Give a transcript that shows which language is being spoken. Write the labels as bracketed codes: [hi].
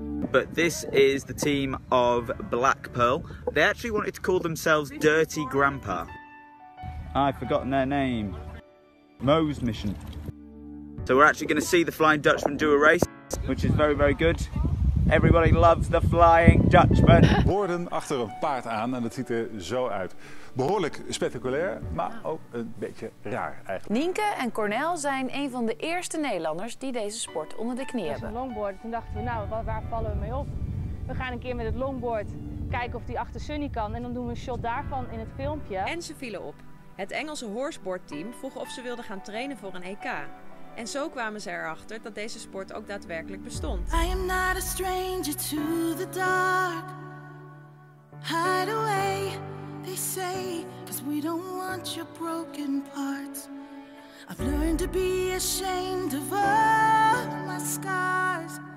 [en] But this is the team of Black Pearl. They actually wanted to call themselves Dirty Grandpa. I've forgotten their name. Moe's Mission. So we're actually going to see the Flying Dutchman do a race, which is very, very good. Everybody loves the Flying Dutchman. [nl] Worden achter een paard aan en het ziet er zo uit. Behoorlijk spectaculair, maar ook een beetje raar eigenlijk. Nienke en Cornel zijn een van de eerste Nederlanders die deze sport onder de knie hebben. Dat is een longboard. Toen dachten we, nou, waar vallen we mee op? We gaan een keer met het longboard kijken of die achter Sunny kan. En dan doen we een shot daarvan in het filmpje. En ze vielen op. Het Engelse horseboardteam vroeg of ze wilden gaan trainen voor een EK. En zo kwamen ze erachter dat deze sport ook daadwerkelijk bestond. [en] I am not a stranger to the dark. Hide away, they say, 'cause we don't want your broken parts. I've learned to be ashamed of all my scars.